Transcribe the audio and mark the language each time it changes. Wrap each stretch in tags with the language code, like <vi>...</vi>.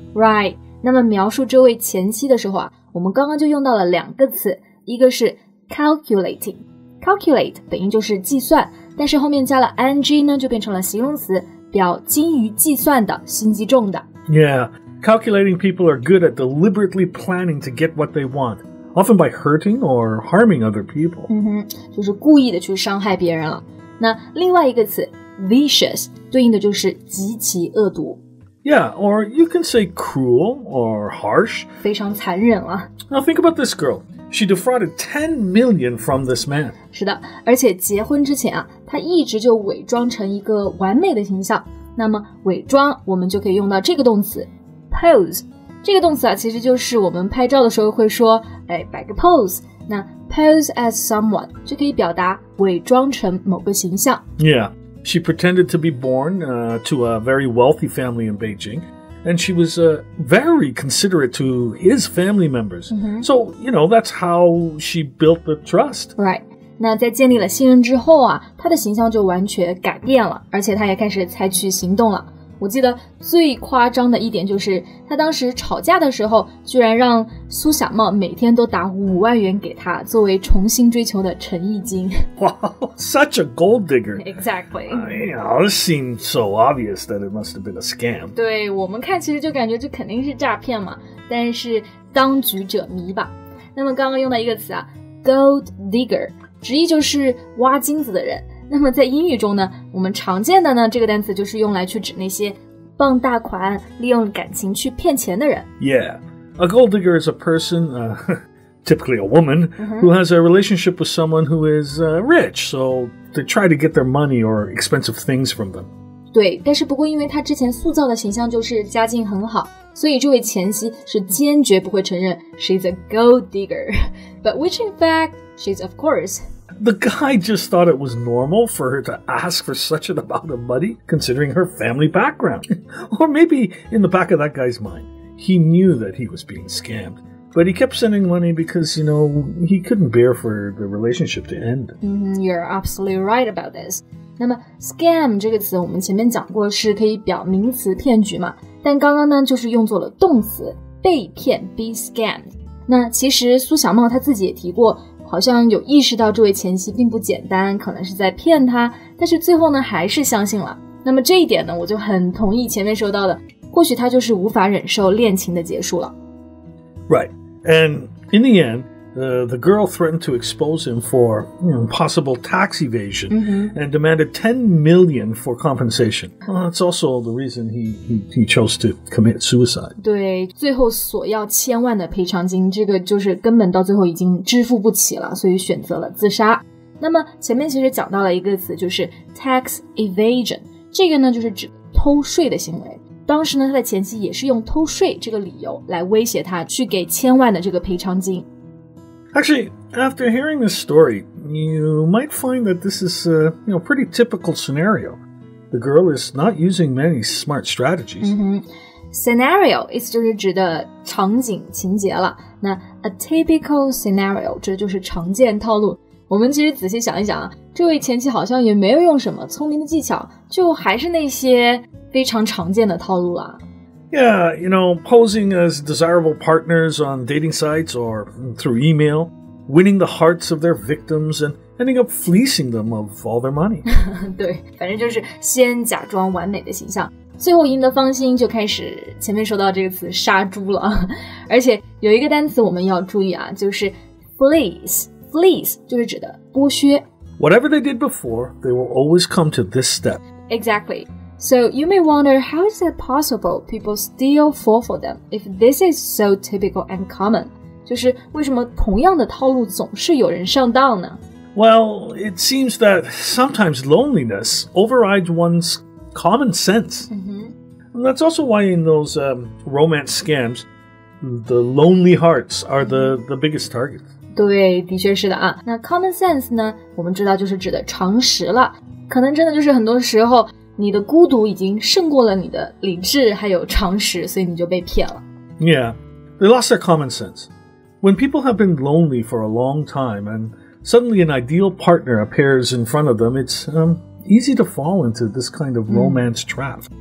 <en>Right.</en> <zh>那么描述这位前妻的时候啊，我们刚刚就用到了两个词，一个是 calculating. Calculate 等于就是计算，但是后面加了 ing 呢，就变成了形容词，表精于计算的，心机重的。</zh> <en>Yeah. Calculating people are good at deliberately planning to get what they want. Often by hurting or harming other people.</en> <zh>嗯哼，就是故意的去伤害别人了。那另外一个词 vicious 对应的就是极其恶毒。</zh> <en>Yeah, or you can say cruel or harsh.</en> <zh>非常残忍了。</zh> <en>Now think about this girl. She defrauded $10 million from this man.</en> <zh>是的，而且结婚之前啊，她一直就伪装成一个完美的形象。那么伪装，我们就可以用到这个动词 pose. 这个动词啊，其实就是我们拍照的时候会说，哎，摆个 pose。那</zh> <en>pose as someone</en> <zh>就可以表达伪装成某个形象。</zh> <en>Yeah, she pretended to be born to a very wealthy family in Beijing, and she was very considerate to his family members.、 Mm-hmm. So, you know, that's how she built the trust. Right.</en> <zh>那在建立了信任之后啊，她的形象就完全改变了，而且她也开始采取行动了。我记得最夸张的一点就是他当时吵架的时候居然让苏小茂每天都打$50,000给他作为重新追求的诚意金。</zh> <en>Wow, such a gold digger. Exactly. It seemed so obvious that it must have been a scam.</en> <zh>对，我们看其实就感觉这肯定是诈骗嘛，但是当局者迷吧。那么刚刚用到一个词啊， gold digger, 直译就是挖金子的人。那么在英语中呢，我们常见的呢这个单词就是用来去指那些傍大款，利用感情去骗钱的人。</zh> <en>Yeah, a gold digger is a person, typically a woman, who has a relationship with someone who is rich, so they try to get their money or expensive things from them.</en> <zh>对，但是不过因为他之前塑造的形象就是家境很好，所以这位前妻是坚决不会承认</zh> <en>she's a gold digger. But which in fact, she's of course... The guy just thought it was normal for her to ask for such an amount of money, considering her family background. Or maybe in the back of that guy's mind, he knew that he was being scammed. But he kept sending money because, you know, he couldn't bear for the relationship to end. You're absolutely right about this.</en> <zh>那么 scam 这个词我们前面讲过是可以表名词骗局嘛，但刚刚呢就是用作了动词被骗</zh> <en>be scammed.</en> <zh>那其实苏小茂他自己也提过好像有意识到这位前妻并不简单，可能是在骗他，但是最后呢还是相信了。那么这一点呢，我就很同意前面说到的，或许他就是无法忍受恋情的结束了。</zh> <en>Right, and in the end, the girl threatened to expose him for possible tax evasion and demanded $10 million for compensation. That's also the reason he chose to commit suicide.</en> <zh>对，最后索要千万的赔偿金，这个就是根本到最后已经支付不起了，所以选择了自杀。那么前面其实讲到了一个词，就是 tax evasion， 这个呢就是指偷税的行为。当时呢，他的前妻也是用偷税这个理由来威胁他去给千万的这个赔偿金。</zh> <en>Actually, after hearing this story, you might find that this is a pretty typical scenario. The girl is not using many smart strategies.</en> <zh>Scenario 意思就是指的场景情节了。那</zh> <en>a typical scenario</en> <zh>这就是常见套路。我们其实仔细想一想啊，这位前妻好像也没有用什么聪明的技巧，就还是那些非常常见的套路啊。</zh> <en>Yeah, you know, posing as desirable partners on dating sites or through email, winning the hearts of their victims and ending up fleecing them of all their money.</en> <zh>对，反正就是先假装完美的形象，最后赢得芳心，就开始前面说到这个词杀猪了。而且有一个单词我们要注意啊，就是 fleece. Fleece 就是指的剥削。</zh> <en>Whatever they did before, they will always come to this step. Exactly. So you may wonder, how is it possible people still fall for them if this is so typical and common?</en> <zh>就是为什么同样的套路总是有人上当呢？</zh> <en>Well, it seems that sometimes loneliness overrides one's common sense. And that's also why in those romance scams, the lonely hearts are the biggest targets.</en> <zh>对，的确是的啊。那 common sense 呢，我们知道就是指的常识了。可能真的就是很多时候你的孤独已经胜过了你的理智还有常识，所以你就被骗了。</zh> <en>Yeah, they lost their common sense. When people have been lonely for a long time and suddenly an ideal partner appears in front of them, it's easy to fall into this kind of romance trap.</en>